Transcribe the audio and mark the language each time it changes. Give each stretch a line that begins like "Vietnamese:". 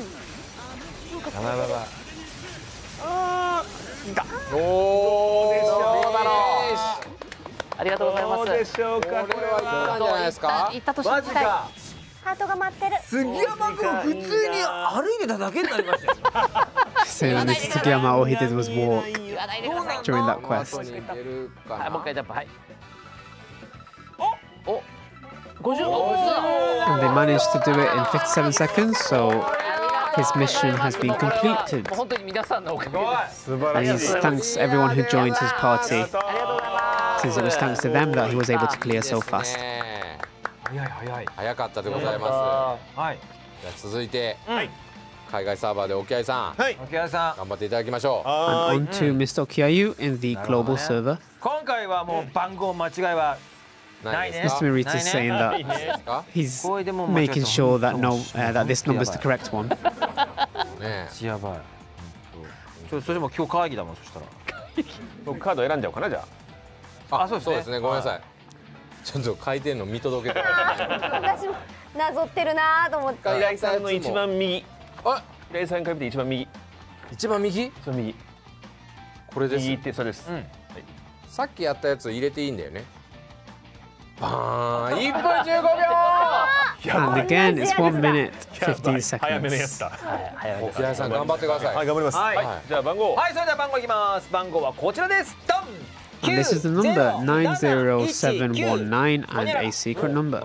Japanese: やばいやばい。ああいた。どうでしょうだろう。ありがとうございます。どうでしょうか。これはどうなんじゃないですか。行ったとしたら。ハートが待ってる。杉山くん普通に歩いてただけになりましたよ。杉山、杉山、
English: all he did was walk during that quest。
Japanese: はい、もう一回ジャンプ、はい。お、お、50 秒。
English: They managed to do it in 57 seconds, so his mission has been completed.
Japanese: 本当に皆さんのおかげです。素晴らしい。
English: Thanks everyone who joined his party. Since it was thanks to them that he was able to clear so fast.
Japanese: 早い早い早かったでございます。はい、じゃあ続いて海外サーバーで沖合さん、はい、沖合さん頑張っていただきましょう。
English: And on to Mr. 沖合 you in the global server。
Japanese: 今回はもう番号間違いはないね。
English: Mr. Maritz is saying that he's making sure that no, that this number is the correct one。
Japanese: やばい、ちょっとそれも今日会議だもん。そしたら僕カード選んじゃおうかな。じゃああ、そうですね、そうですね、ごめんなさい、ちょっと回転の見届けたら私もなぞってるなと思って。平井さんの一番右。あ、平井さんに比べて一番右。一番右、その右、これです。右って、そうです、うん、はい、さっきやったやつ入れていいんだよね。バーン、1分15秒
English: And again, it's 1 minute 15 seconds
Japanese: 早めのやつだ。平井さん、頑張ってください。はい、頑張ります。はい、はい、じゃあ番号。はい、それでは番号いきます。番号はこちらです。ドン。
English: And this is the number 90719 and a secret number.